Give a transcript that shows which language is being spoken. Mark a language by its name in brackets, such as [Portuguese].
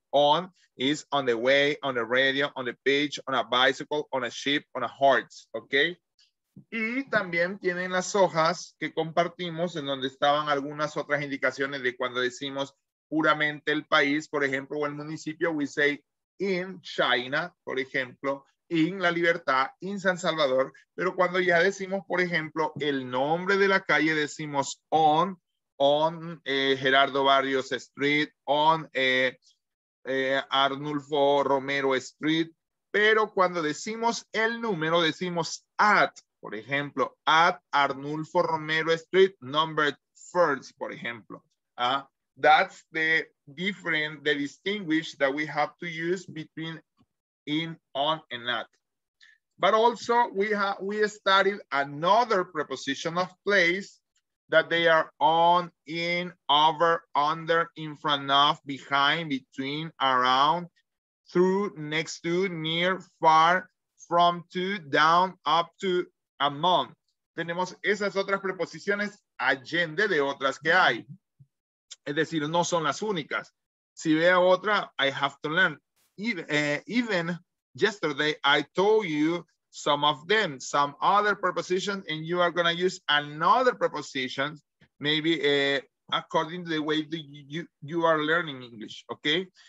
[English] On is on the way, on the radio, on the beach, on a bicycle, on a ship, on a horse. [Spanish] Okay, y también tienen las hojas que compartimos en donde estaban algunas otras indicaciones de cuando decimos puramente el país, por ejemplo, o el municipio. [English] We say in China, [Spanish] por ejemplo, [English] in La Libertad, in San Salvador, [Spanish] pero cuando ya decimos, por ejemplo, el nombre de la calle, decimos [English] on Gerardo Barrios Street, on Arnulfo Romero Street, [Spanish] pero cuando decimos el número, decimos at, por ejemplo, [English] at Arnulfo Romero Street, number first, [Spanish] por ejemplo. [English] That's the different, the distinguish that we have to use between in, on, and at. But also we studied another preposition of place, that they are on, in, over, under, in front of, behind, between, around, through, next to, near, far, from to, down, up to, among. [Spanish] Tenemos esas otras preposiciones allende de otras que hay. Es decir, no son las únicas. Si veo otra, [English] I have to learn. Even yesterday, I told you some of them, some other prepositions, and you are going to use another preposition, maybe according to the way that you are learning English, okay?